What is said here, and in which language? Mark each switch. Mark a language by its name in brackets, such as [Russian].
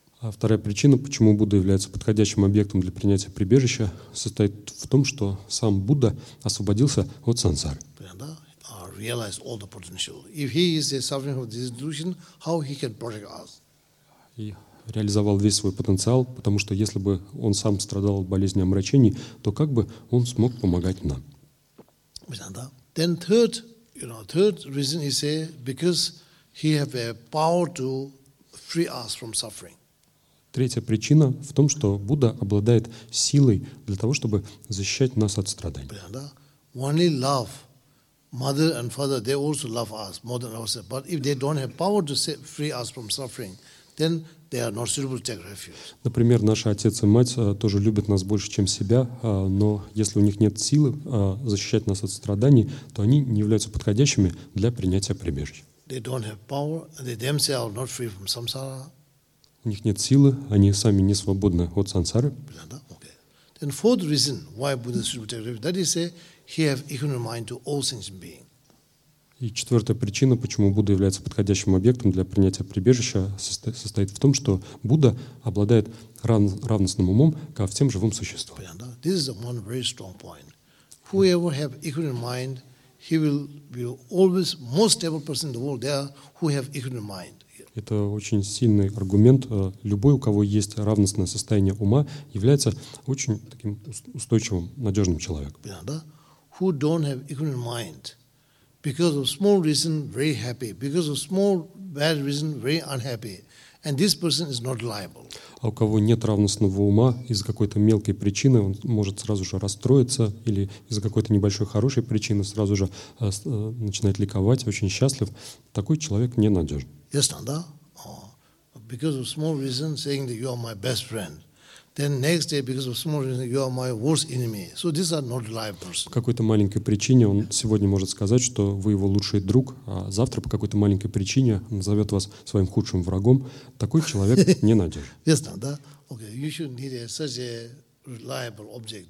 [Russian] А вторая причина, почему Будда является подходящим объектом для принятия прибежища, состоит в том, что сам Будда освободился от сансары. Понятно? [English] Realize all the potential. If he is suffering from this delusion, how he can protect us? [Russian] И реализовал весь свой потенциал, потому что если бы он сам страдал от болезни омрачений, то как бы он смог помогать нам? Понятно? [English] Then third, you know, third reason is because he have a power to free us from suffering. [Russian] Третья причина в том, что Будда обладает силой для того, чтобы защищать нас от страданий. [English] Only love, mother and father, they also love us more than ourselves. But if they don't have power to free us from suffering, then they are not suitable to take refuge. [Russian] Например, наши отец и мать тоже любят нас больше, чем себя, но если у них нет силы защищать нас от страданий, то они не являются подходящими для принятия прибежища. [English] They don't have power, and they themselves not free from samsara. [Russian] У них нет силы, они сами не свободны от сансары. [English] Okay. Then fourth reason why Buddha should protect refuge, that is, he have equanimous mind to all sentient beings. [Russian] И четвертая причина, почему Будда является подходящим объектом для принятия прибежища, состоит в том, что Будда обладает равностным умом ко всем живым существам. Понятно? [English] This is one very strong point. Whoever have equanimous mind, he will be always most stable person in the world there who have equanimous mind. [Russian] Это очень сильный аргумент. Любой, у кого есть равностное состояние ума, является очень таким устойчивым, надежным человеком. [English] Who don't have equanimous mind, because of small reason, very happy. Because of small bad reason, very unhappy. And this person is not reliable. [Russian] А у кого нет равностного ума, из-за какой-то мелкой причины он может сразу же расстроиться или из-за какой-то небольшой хорошей причины сразу же начинает ликовать, очень счастлив. Такой человек ненадежен. [English] Yes, Nanda. Because of small reason saying that you are my best friend. Then next day, because of small reason, you are my worst enemy. So these are not reliable persons. [Russian] По какой-то маленькой причине он сегодня может сказать, что вы его лучший друг, а завтра по какой-то маленькой причине назовет вас своим худшим врагом. Такой человек ненадежен. [English] Yes, да? Okay, you should need such a reliable object.